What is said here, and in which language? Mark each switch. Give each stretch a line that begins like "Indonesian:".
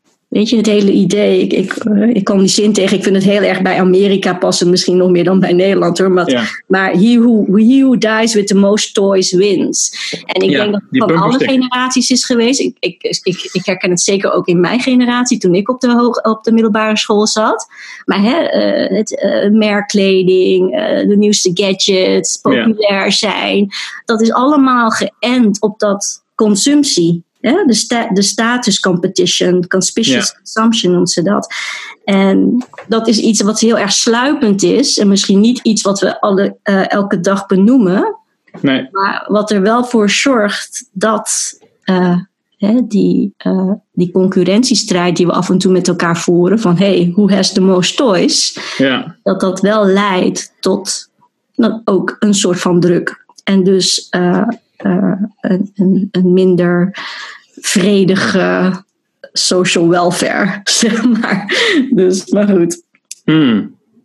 Dutch: Weet je, het hele idee, ik kwam die zin tegen, ik vind het heel erg bij Amerika passen, misschien nog meer dan bij Nederland hoor. Maar, maar
English: he who dies with the most toys wins.
Dutch: En ik denk dat het van alle generaties is geweest. Ik herken het zeker ook in mijn generatie, toen ik op de middelbare school zat. Maar merkkleding, de nieuwste gadgets, populair zijn. Dat is allemaal geënt op dat consumptie. Ja, de
English: status competition, conspicuous consumption
Dutch: noemt ze dat. En dat is iets wat heel erg sluipend is. En misschien niet iets wat we elke dag benoemen. Nee. Maar wat er wel voor zorgt dat die concurrentiestrijd die we af en toe met elkaar voeren.
English: Van hey, who has the most toys?
Dutch: Ja. Dat wel leidt tot dan ook een soort van druk. En dus... Een minder vredige
English: social welfare,
Dutch: zeg maar. Dus, maar goed. Hmm.